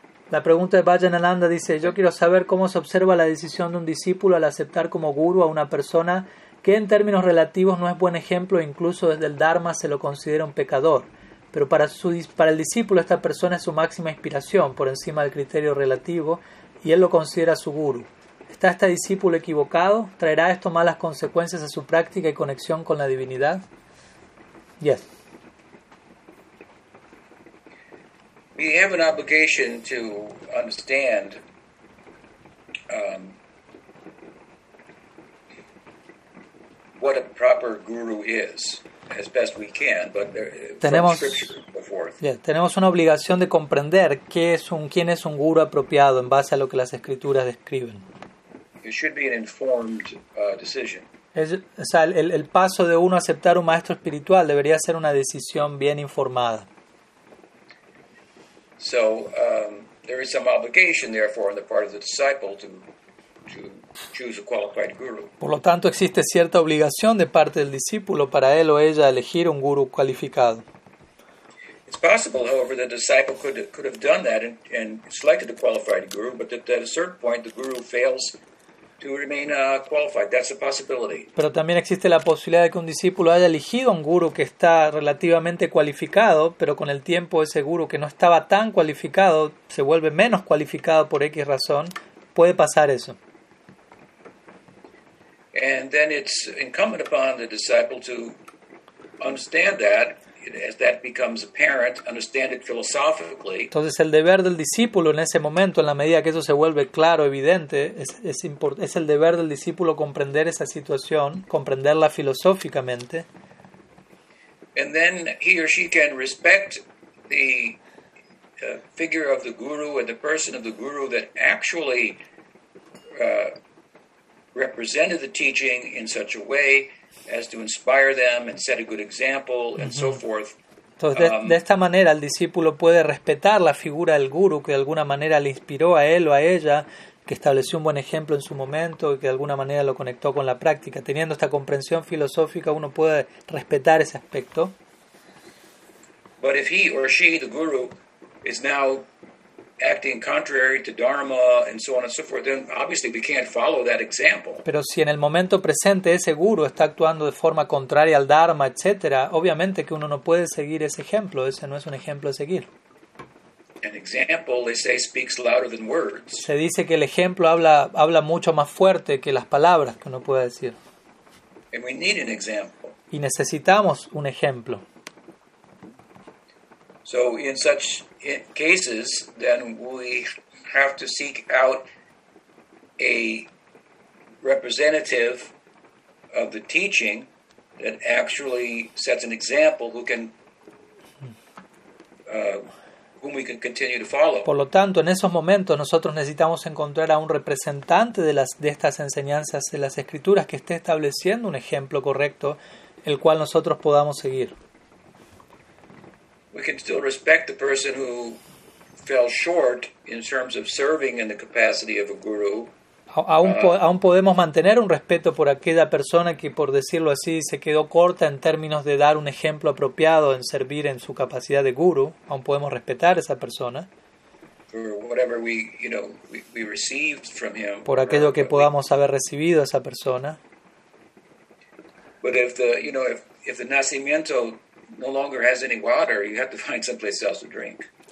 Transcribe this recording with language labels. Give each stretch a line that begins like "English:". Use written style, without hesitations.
Spanish: La pregunta de Bhajan Ananda dice, yo quiero saber cómo se observa la decisión de un discípulo al aceptar como guru a una persona que en términos relativos no es buen ejemplo, incluso desde el Dharma se lo considera un pecador. Pero para el discípulo esta persona es su máxima inspiración por encima del criterio relativo y él lo considera su guru. ¿Está este discípulo equivocado? ¿Traerá esto malas consecuencias a su práctica y conexión con la divinidad?
English: Yes. We have an obligation to understand what a proper guru is as best we can, but
Spanish: tenemos,
English: from scripture,
Spanish: tenemos una obligación de comprender qué es un, quién es un guru apropiado en base a lo que las escrituras describen.
English: It should be an informed decision.
Spanish: Es, o sea, el paso de uno a aceptar un maestro espiritual debería ser una decisión bien informada.
English: So there is some obligation, therefore, on the part of the disciple to choose a qualified guru.
Spanish: Por lo tanto, existe cierta obligación de parte del discípulo para él o ella elegir un guru cualificado.
English: It's possible, however, that the disciple could have done that and selected a qualified guru, but that at a certain point the guru fails to remain qualified. That's a possibility.
Spanish: Pero también existe la posibilidad de que un discípulo haya elegido un guru que está relativamente cualificado, pero con el tiempo ese guru que no estaba tan cualificado se vuelve menos cualificado por X razón. Puede pasar eso.
English: And then it's incumbent upon the disciple to understand that, as that becomes apparent, understand it philosophically.
Spanish: Entonces el deber del discípulo en ese momento, en la medida que eso se vuelve claro, evidente, es el deber del discípulo comprender esa situación, comprenderla filosóficamente.
English: And then he or she can respect the figure of the guru and the person of the guru that actually represented the teaching in such a way as to inspire them and set a good example and so forth.
Spanish: Entonces, de esta manera el discípulo puede respetar la figura del guru que de alguna manera le inspiró a él o a ella, que estableció un buen ejemplo en su momento y que de alguna manera lo conectó con la práctica. Teniendo esta comprensión filosófica, uno puede respetar ese aspecto.
English: But if he or she, the guru, is now acting contrary to Dharma and so on and so forth, then obviously we can't follow that example.
Spanish: Pero si en el momento presente ese guru está actuando de forma contraria al Dharma, etc., obviamente que uno no puede seguir ese ejemplo, ese no es un ejemplo a seguir.
English: An example, they say, speaks louder than words.
Spanish: Se dice que el ejemplo habla mucho más fuerte que las palabras que uno puede decir.
English: And we need an example.
Spanish: Y necesitamos un ejemplo.
English: So in such cases, then we have to seek out a representative of the teaching that actually sets an example who can whom we can continue to follow.
Spanish: Por lo tanto, en esos momentos nosotros necesitamos encontrar a un representante de estas enseñanzas de las escrituras que esté estableciendo un ejemplo correcto el cual nosotros podamos seguir.
English: We can still respect the person who fell short in terms of serving in the capacity of a guru.
Spanish: Aún podemos mantener un respeto por aquella persona que, por decirlo así, se quedó corta en términos de dar un ejemplo apropiado en servir en su capacidad de guru. Aún podemos respetar a esa persona.
English: For whatever we received from him.
Spanish: Por aquello que podamos haber recibido a esa persona.
English: But if the nacimiento no longer has any water, you have to find someplace else to drink.